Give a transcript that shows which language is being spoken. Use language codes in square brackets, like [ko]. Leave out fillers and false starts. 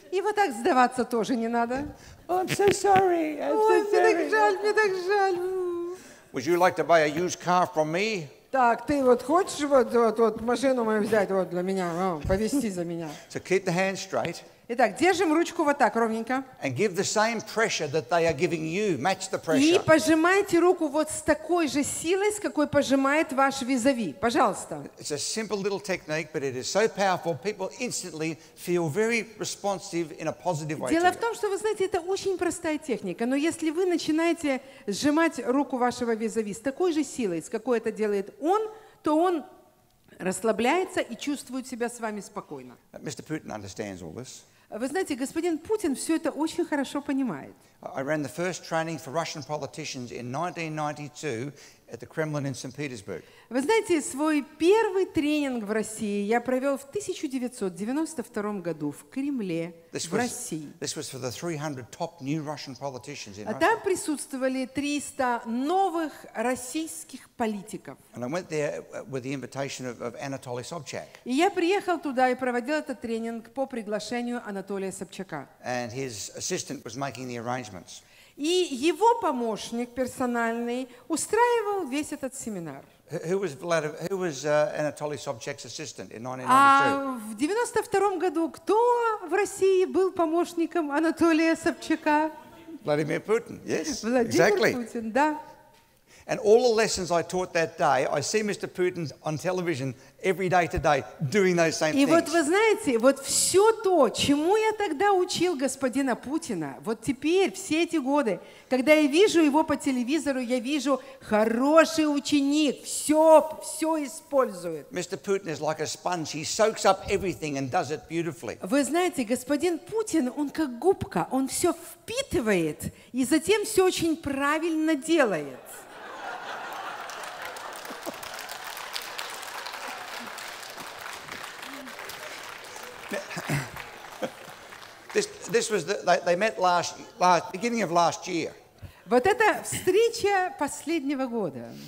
[ru] И вот так сдаваться тоже не надо. [en] Oh, I'm so sorry. [ru] Мне так жаль. [en] Would you like to buy a used car from me? [ru] Так, ты вот хочешь вот машину мою взять вот для меня, повезти за меня? [en] So keep the hand straight. [ru] Итак, держим ручку вот так, ровненько. [en] And give the same pressure that they are giving you. Match the pressure. [ru] И пожимайте руку вот с такой же силой, с какой пожимает ваш визави. Пожалуйста. [en] It's a simple little technique, but it is so powerful. People instantly feel very responsive in a positive way. [ru] Дело в том, что вы знаете, это очень простая техника, но если вы начинаете сжимать руку вашего визави с такой же силой, с какой это делает он, то он расслабляется и чувствует себя с вами спокойно. [en] Mr. Putin understands all this. [ru] Вы знаете, господин Путин все это очень хорошо понимает. [en] I ran the first training for Russian politicians in 1992 at the Kremlin in St. Petersburg. [ru] Вы знаете, свой первый тренинг в России я провел в 1992 году в Кремле, в России. [en] This was for the 300 top new Russian politicians in [ru] Russia. Там присутствовали 300 новых российских политиков. [en] And I went there with the invitation of Anatoly Sobchak. [ru] И я приехал туда и проводил этот тренинг по приглашению Анатолия Собчака. [en] And his assistant was making the arrangements. [ru] И его помощник персональный устраивал весь этот семинар. [en] Anatoly Sobchak's assistant in 1992? [ru] В 92-м году кто в России был помощником Анатолия Собчака? Владимир Путин, [en] yes. [ru] Владимир [en] exactly. [ru] Путин, да. [en] And all the lessons I taught that day, I see Mr. Putin on television every day today doing those same [ru] и И вот вы знаете, вот все то, чему я тогда учил господина Путина, вот теперь, все эти годы, когда я вижу его по телевизору, я вижу хороший ученик, все использует. [en] Mr. Putin is like a sponge. He soaks up everything and does it beautifully. [ru] Вы знаете, господин Путин, он как губка, он все впитывает и затем все очень правильно делает. [en] This was they met last beginning of last year. [ru] Вот это встреча последнего года.